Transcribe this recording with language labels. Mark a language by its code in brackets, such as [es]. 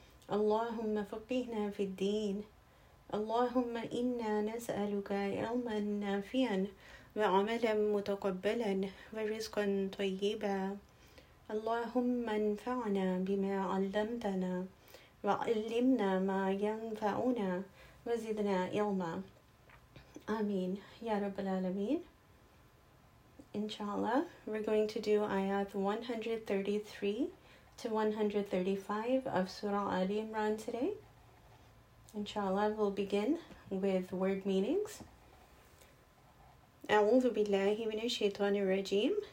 [ar] اللهم فقهنا في الدين. اللهم إنا نسألك علما نافعا وعملا متقبلا ورزقا طيبا. اللهم انفعنا بما علمتنا وعلمنا ما ينفعنا وزدنا علما. آمين يا رب العالمين. [en] Inshallah, we're going to do ayat 133 to 135 of Surah Ali Imran today. Inshallah, we'll begin with word meanings. [ar] أعوذ بالله من الشيطان الرجيم.